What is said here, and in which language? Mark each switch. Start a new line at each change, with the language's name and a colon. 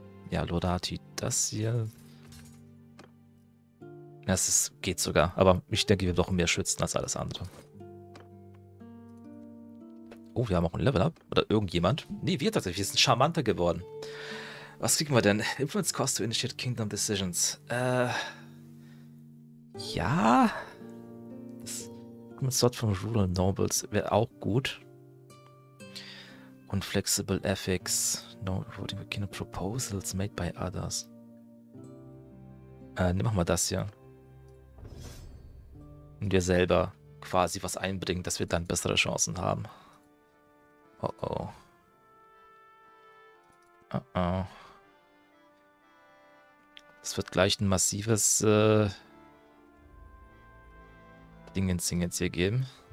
German: Ja, Lodati, das hier. Das ist, geht sogar. Aber ich denke, wir brauchen mehr Schützen als alles andere. Oh, wir haben auch ein Level-Up. Oder irgendjemand. Nee, wir tatsächlich. Wir sind charmanter geworden. Was kriegen wir denn?
English: Influence Cost to Initiate Kingdom Decisions.
German: Ja. Das Sort von Rural Nobles wäre auch gut.
English: und flexible ethics. No voting for kind of proposals made by others.
German: Nimm mal das hier. Und wir selber quasi was einbringen, dass wir dann bessere Chancen haben. Oh oh. Oh oh. Das wird gleich ein massives Dingensingens hier geben.